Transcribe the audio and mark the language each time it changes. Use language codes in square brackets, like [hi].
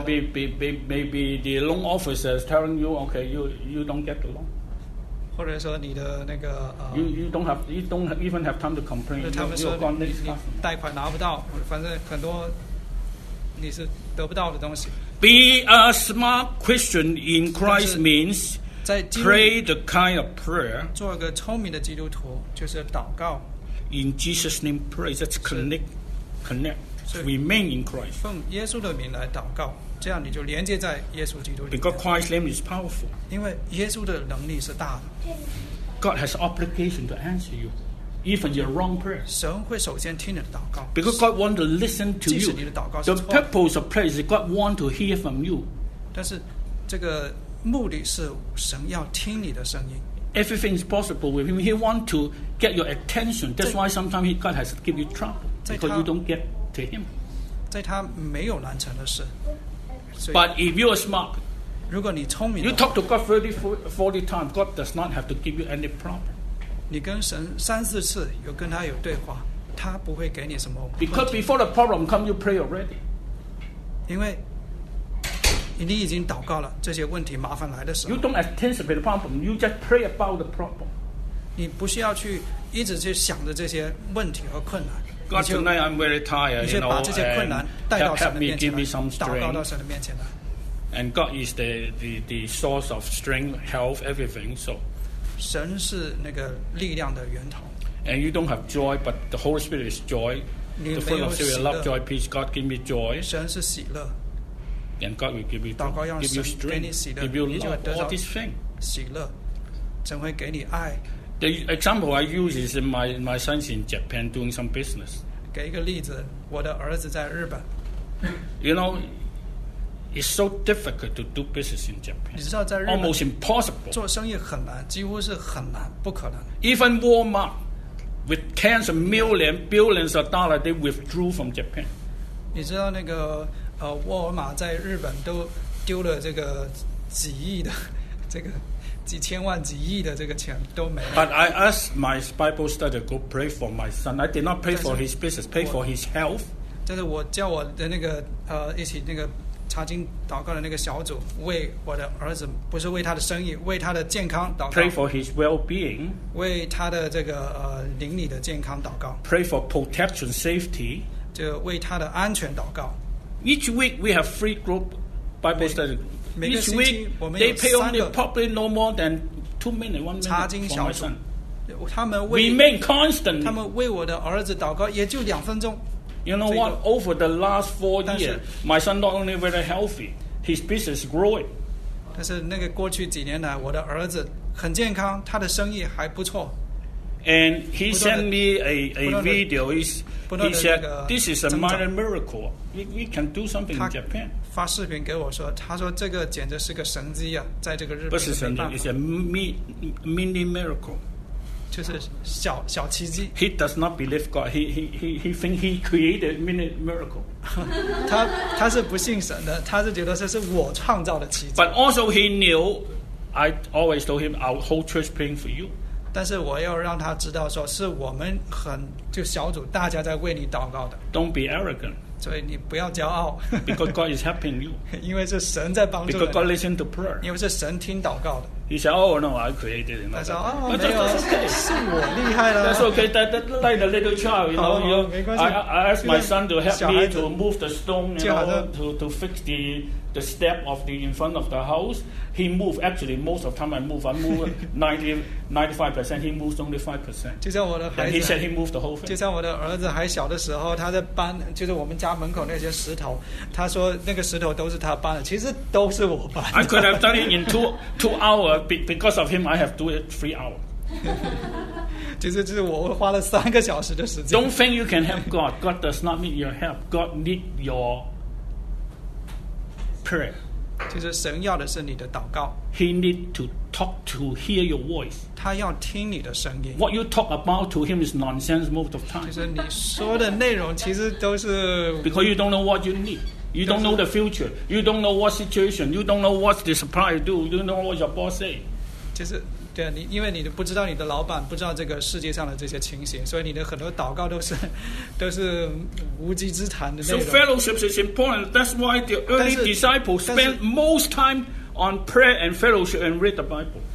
[en] Or maybe the loan officer is telling you, okay, you don't get the loan. [zh] 或者说你的那个 [en] you don't even have time to complain. [zh] 他们说你贷款拿不到，反正很多你是得不到的东西。 [en] Be a smart Christian in Christ means pray the kind of prayer. [zh] 做一个聪明的基督徒就是祷告。 [en] In Jesus' name, pray. That's connect. Remain in Christ. [zh] 奉耶稣的名来祷告，这样你就连接在耶稣基督里面。 [en] Because Christ's name is powerful. [zh] 因为耶稣的能力是大的。 [en] God has obligation to answer you, even your wrong prayer. [zh] 神会首先听你的祷告。 [en] Because God wants to listen to you. [zh] 即使你的祷告是错。 [en] The purpose of prayer is God wants to hear from you. [zh] 但是这个目的是神要听你的声音。 [en] Everything is possible with Him. He wants to get your attention. That's why sometimes God has to give you trouble because you don't get. [zh] 在他没有难成的事 [en] But if you are smart [zh] 如果你聪明 [en] You talk to God 30-40 times God does not have to give you any problem [zh] 你跟神三四次有跟他有对话他不会给你什么 [en] Because before the problem come you pray already [zh] 因为你已经祷告了这些问题麻烦来的时候 [en] You don't anticipate the problem You just pray about the problem [zh] 你不需要去一直去想着这些问题和困难 [en] God, tonight I'm very tired, you know, and help me, give me some strength. [zh] 祷告到神的面前来。 [en] And God is the source of strength, health, everything. So, [zh] 神是那个力量的源头。 [en] And you don't have joy, but the Holy Spirit is joy. The fruit of Spirit, love, joy, peace. God give me joy. [zh] 神是喜乐。 [en] And God will give you joy, give you strength, give you love, all these things. [zh] 喜乐，神会给你爱。 [en] The example I use is my son's in Japan doing some business. [zh] 给一个例子，我的儿子在日本。 [en] You know, it's so difficult to do business in Japan. [zh] 你知道在日本 [en] almost impossible. [zh] 做生意很难，几乎是很难，不可能。 [en] Even Walmart, with tens of millions, billions of dollars, they withdrew from Japan. [zh] 你知道那个沃尔玛在日本都丢了这个几亿的这个。几千万几亿的这个钱都没了。 [en] But I asked my Bible study to go pray for my son. I did not pray for his business, pray for his health. [zh] 但是我叫我的那个一起那个查经祷告的那个小组为我的儿子，不是为他的生意，为他的健康祷告。 [en] Pray for his well-being. [zh] 为他的这个邻里的健康祷告。 [en] Pray for protection, safety. [zh] 就为他的安全祷告。 [en] Each week we have three group Bible study. Each week, they pay only probably no more than 2 minutes, 1 minute for my son. Remain constant. [zh] 他们为我的儿子祷告也就两分钟。 [en] You know what? Over the last 4 years, my son not only very healthy, his business is growing. [zh] 但是那个过去几年来，我的儿子很健康，他的生意还不错。 [en] And he sent me a video. He said, "This is a minor miracle. We can do something in Japan." [zh] 发视频给我说，他说这个简直是个神迹啊，在这个日本。不是神迹 [en] ，it's a mini miracle. [zh] 就是小小奇迹。 [en] He does not believe God. He think he created mini miracle. [zh] 他是不信神的，他是觉得这是我创造的奇迹。 [en] But also he knew, I always told him, our whole church praying for you. [zh] 但是我要让他知道说是我们很就小组大家在为你祷告的。 [en] Don't be arrogant. [zh] 所以你不要骄傲。 [en] Because God is helping you. [zh] 因为是神在帮助你。 [en] Because God listened to prayer. [zh] 因为是神听祷告的。 [en] He said, oh, no, I created it. [zh] 他说哦，没有，是我厉害了。 [en] That's okay. Like the little child, you know. I asked my son to help me to move the stone, you know, to fix the step of the in front of the house. He moved. Actually, most of the time I move 95%. He moves only 5%. [zh] 就像我的孩子。 [en] He said he moved the whole thing. [zh] 就像我的儿子还小的时候，他在搬，就是我们家门口那些石头。他说那个石头都是他搬的，其实都是我搬的。 [en] I could have done it in two hours. Because of him, I have to do it 3 hours. [zh] 就是我花了三个小时的时间。 [en] Don't think you can help God. God does not need your help. God need your prayer. [zh] 就是神要的是你的祷告。 [en] He need to talk to hear your voice. [zh] 他要听你的声音。 [en] What you talk about to him is nonsense most of the time. [zh] 就是你说的内容其实都是 [en] Because you don't know what you need. You don't know the future. You don't know what situation. You don't know what the supplier do. You don't know what your boss say. [zh] 就是对你，因为你不知道你的老板，不知道这个世界上的这些情形，所以你的很多祷告都是无稽之谈的内容。 [en] So fellowship is important. That's why the early disciples spent most time on prayer and fellowship and read the Bible.